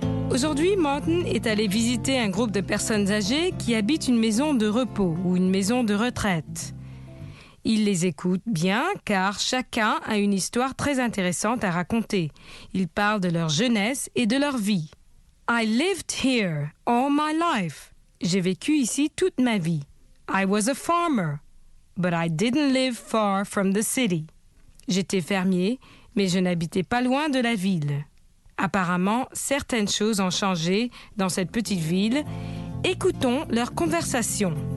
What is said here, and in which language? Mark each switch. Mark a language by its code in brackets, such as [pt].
[fr] Aujourd'hui, Martin est allé visiter un groupe de personnes âgées qui habitent une maison de repos ou une maison de retraite. Il les écoute bien car chacun a une histoire très intéressante à raconter. Ils parlent de leur jeunesse et de leur vie. [en] I lived here all my life. [fr] J'ai vécu ici toute ma vie. [en] I was a farmer, but I didn't live far from the city. [fr] J'étais fermier, mais je n'habitais pas loin de la ville. Apparemment, certaines choses ont changé dans cette petite ville. Écoutons leur conversation.